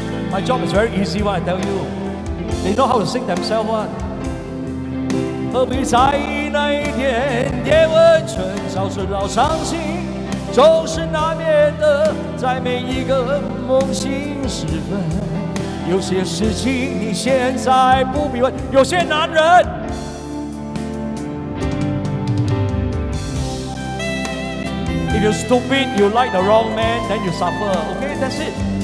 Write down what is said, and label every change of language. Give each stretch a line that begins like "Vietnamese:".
English: My job is very easy when I tell you They know how to sing themselves
Chinese: 何必在意那一点点温存早知道伤心总是难免的在每一个梦醒时分有些事情你现在不必问有些男人
English: If you're stupid, you like the wrong man, then you suffer Okay, that's it